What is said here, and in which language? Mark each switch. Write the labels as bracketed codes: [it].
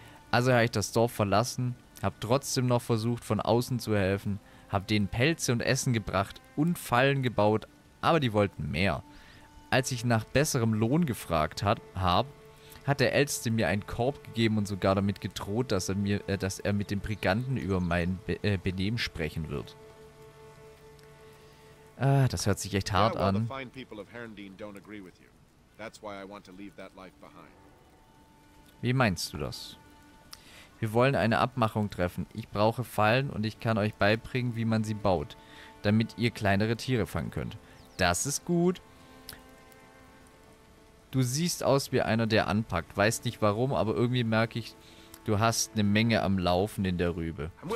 [de] Also habe ich das Dorf verlassen, habe trotzdem noch versucht, von außen zu helfen, habe denen Pelze und Essen gebracht und Fallen gebaut, aber die wollten mehr. Als ich nach besserem Lohn gefragt hat der Älteste mir einen Korb gegeben und sogar damit gedroht, dass er mit dem Briganten über mein Benehmen sprechen wird. Ah, das hört sich echt hart an. Ja, [en] well, the fine people of Herndine don't agree with you. That's why I want to leave that life behind. [de] Wie meinst du das? Wir wollen eine Abmachung treffen. Ich brauche Fallen und ich kann euch beibringen, wie man sie baut, damit ihr kleinere Tiere fangen könnt. Das ist gut. Du siehst aus wie einer, der anpackt. Weiß nicht warum, aber irgendwie merke ich, du hast eine Menge am Laufen in der Rübe.